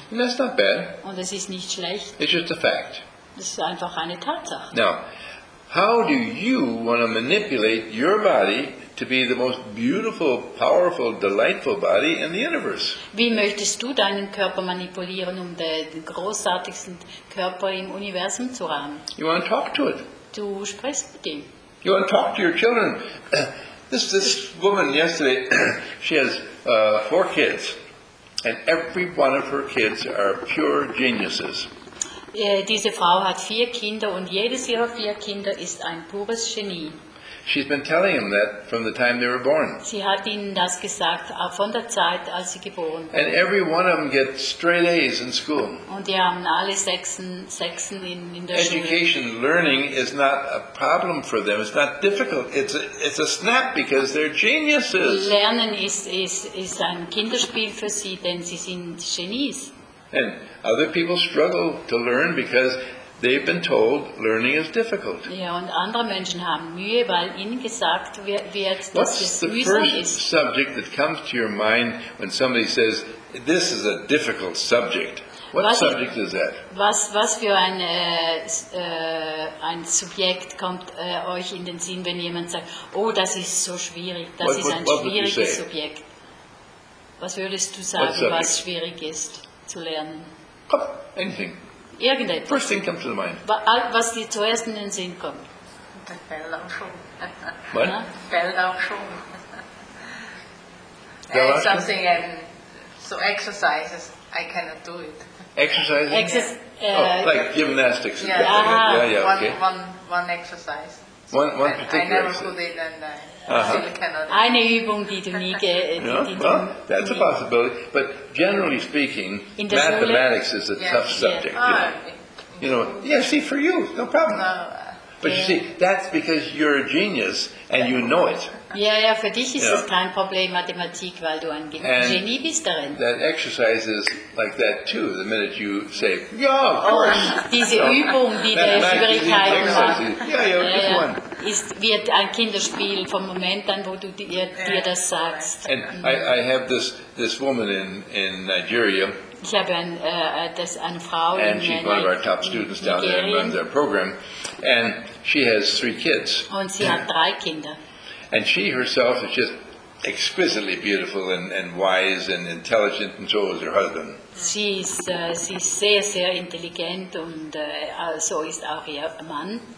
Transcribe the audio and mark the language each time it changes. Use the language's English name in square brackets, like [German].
[English] And that's not bad. [German] Und es ist nicht schlecht. [English] It's just a fact. [German] Es ist einfach eine Tatsache. [English] Now, how do you want to manipulate your body to be the most beautiful, powerful, delightful body in the universe? [German] Wie möchtest du deinen Körper manipulieren, um den großartigsten Körper im Universum zu haben? [English] You want to talk to it. [German] Du sprichst mit ihm. [English] You want to talk to your children. This woman yesterday, she has 4 kids, and every one of her kids are pure geniuses. [German] Diese Frau hat 4 Kinder und jedes ihrer 4 Kinder ist ein pures Genie. [English] She's been telling him that from the time they were born. [German] Sie hat ihnen das gesagt von der Zeit, als sie geboren wurden. [English] And every one of them gets straight A's in school. [German] Und die haben alle Sechsen in der [English] Education, [German] Schule. [English] Learning is not a problem for them. It's not difficult. It's a snap because they're geniuses. [German] Lernen ist ein Kinderspiel für sie, denn sie sind Genies. [English] And other people struggle to learn because they've been told learning is difficult. [German] Ja, und andere Menschen haben Mühe, weil ihnen gesagt wird, dass es mühsam ist. [English] What's the first subject that comes to your mind when somebody says, this is a difficult subject? What subject is that? [German] Was für ein Subjekt kommt euch in den Sinn, wenn jemand sagt, oh, das ist so schwierig, das ist ein schwieriges Subjekt? Was würdest du sagen, was schwierig ist zu lernen? [English] Oh, anything. [German] Irgendetwas. [English] First thing comes to the mind. [German] Was dir zuerst in den Sinn kommt. Das fällt auch schon. [English] What? [German] Fällt auch schon. [English] Something, so exercises, I cannot do it. Exercises? Like gymnastics. Yeah, okay. One exercise. One particular exercise. I never put it and I still cannot. [German] Eine Übung, die du nie [English] that's a possibility. But generally speaking, mathematics is a tough subject. Yeah. See, for you, no problem. But you see, that's because you're a genius and you know it. [German] Yeah, for dich ist es kein Problem, Mathematik, weil du ein Genie bist darin. [English] That exercise is like that too, the minute you say, yeah, of course. [German] Diese Übung, die der Schwierigkeiten macht, wird ein Kinderspiel vom Moment an, wo du dir das sagst. [English] And I have this woman in Nigeria. [German] Ich habe eine Frau in Nigeria. [English] And she's one of our top students down there and runs our program. And she has 3 kids. [German] Und sie hat 3 Kinder. [English] And she herself is just exquisitely beautiful and wise and intelligent, and so is her husband. [German] Sie ist sehr, sehr intelligent und so ist auch ihr Mann.